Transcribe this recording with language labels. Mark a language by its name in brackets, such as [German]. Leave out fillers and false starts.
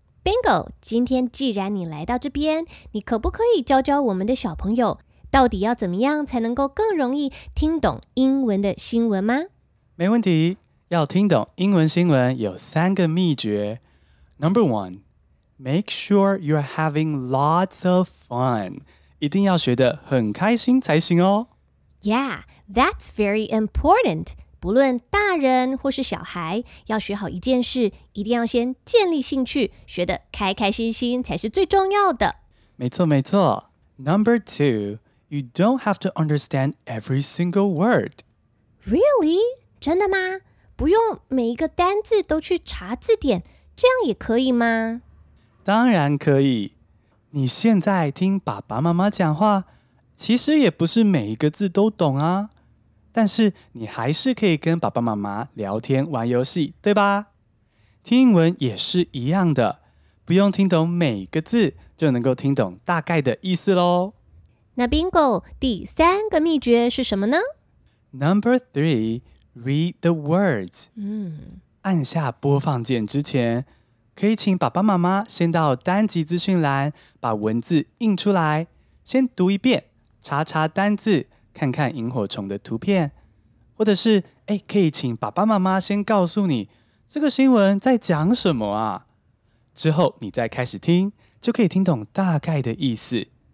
[Chinese] Bingo, 今天既然你来到这边，你可不可以教教我们的小朋友，到底要怎么样才能够更容易听懂英文的新闻吗？没问题。要听懂英文新闻有三个秘诀。 [English] Number one, make sure you're having lots of fun. [Chinese] 一定要学得很开心才行哦。 [English] Yeah, that's very important. [Chinese] 不论大人或是小孩，要学好一件事，一定要先建立兴趣，学得开开心心才是最重要的。没错，没错。 [English] Number two, you don't have to understand every single word. Really? [Chinese] 真的吗？不用每一个单字都去查字典，这样也可以吗？当然可以。你现在听爸爸妈妈讲话，其实也不是每一个字都懂啊。但是你还是可以跟爸爸妈妈聊天玩游戏，对吧？听英文也是一样的，不用听懂每个字就能够听懂大概的意思咯。那 Bingo 第三个秘诀是什么呢？ [English] Number three,Read the words. [Chinese] 按下播放键之前，可以请爸爸妈妈先到单集资讯栏把文字印出来，先读一遍，查查单字，看看萤火虫的图片，或者是可以请爸爸妈妈先告诉你这个新闻在讲什么啊，之后你再开始听，就可以听懂大概的意思。